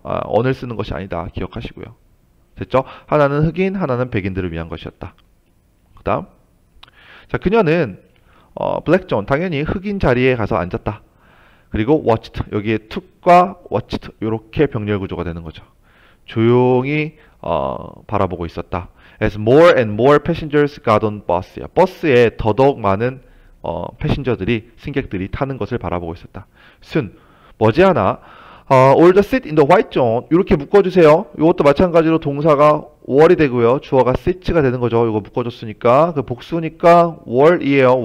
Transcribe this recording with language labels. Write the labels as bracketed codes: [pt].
[ko] 언을 쓰는 것이 아니다. 기억하시고요. 됐죠? 하나는 흑인, 하나는 백인들을 위한 것이었다. 그다음, 자 그녀는 블랙 존, 당연히 흑인 자리에 가서 앉았다. 그리고 watched 여기에 took과 watched 이렇게 병렬 구조가 되는 거죠. 조용히 바라보고 있었다. [en] As more and more passengers got on bus야. [ko] 버스에 더더욱 많은 패신저들이 승객들이 타는 것을 바라보고 있었다. Soon 머지않아 [en] all the seat in the white zone [ko] 이렇게 묶어주세요. 이것도 마찬가지로 동사가 월이 되고요. 주어가 seats가 되는 거죠. 이거 묶어줬으니까 그 복수니까 월이에요.